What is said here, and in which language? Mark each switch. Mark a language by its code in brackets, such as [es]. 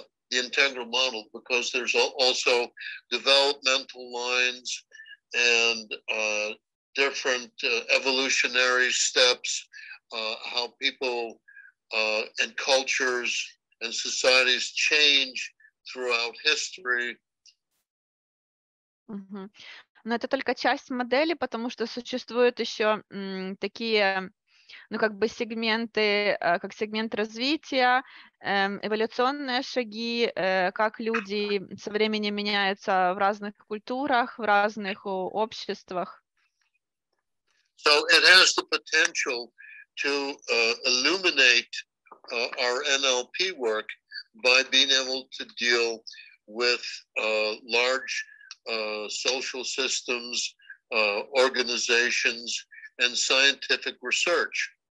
[en] The integral model, because there's also developmental lines and different evolutionary steps, how people and cultures and societies change throughout history. [ru] Mm-hmm. Но это только часть модели, потому что существуют еще такие... Ну, как бы сегменты, как сегмент развития, эволюционные шаги, как люди со временем меняются в разных культурах, в разных обществах. [en] So it has the potential to illuminate our NLP work by being able to deal with large social systems, organizations, and scientific research.